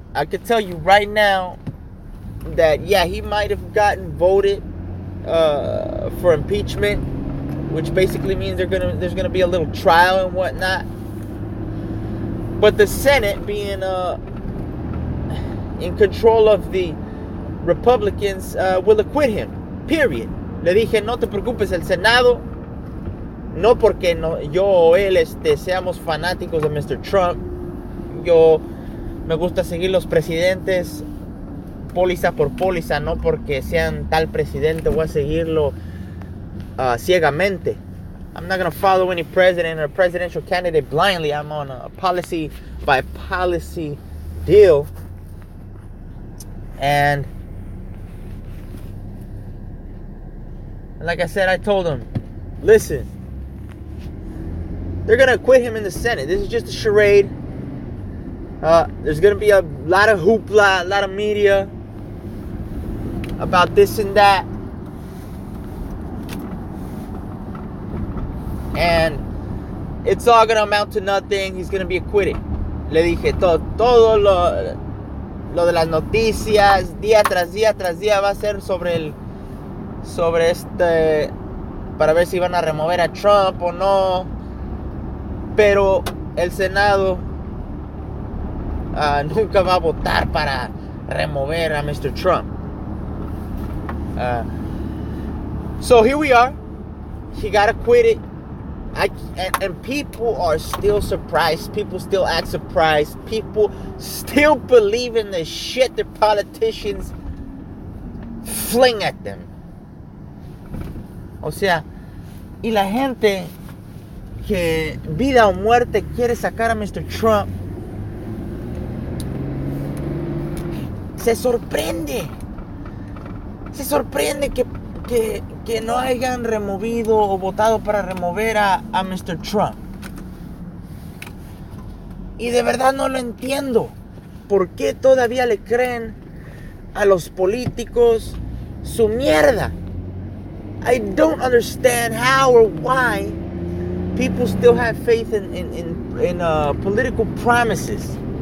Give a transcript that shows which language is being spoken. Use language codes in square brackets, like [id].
[en] I can tell you right now that, yeah, he might have gotten voted for impeachment, which basically means there's going to be a little trial and whatnot. But the Senate being in control of the Republicans will acquit him, period. [es] Le dije, no te preocupes, el Senado... No porque no, yo o él seamos fanáticos de Mr. Trump. Yo me gusta seguir los presidentes póliza por póliza. No porque sean tal presidente voy a seguirlo ciegamente. [en] I'm not going to follow any president or presidential candidate blindly. I'm on a policy by policy deal. And like I said, I told him, listen, they're going to acquit him in the Senate. This is just a charade. There's going to be a lot of hoopla, a lot of media about this and that. And it's all going to amount to nothing. He's going to be acquitted. [es] Le dije, todo lo de las noticias, día tras día, va a ser sobre el, sobre este, para ver si van a remover a Trump o no. Pero el Senado nunca va a votar para remover a Mr. Trump. [en] So here we are. He got acquitted. And people are still surprised. People still act surprised. People still believe in the shit their politicians fling at them. [es] O sea, y la gente que vida o muerte quiere sacar a Mr. Trump, se sorprende. Se sorprende que no hayan removido o votado para remover a Mr. Trump. Y de verdad no lo entiendo. ¿Por qué todavía le creen a los políticos su mierda? [en] I don't understand how or why people still have faith in political promises.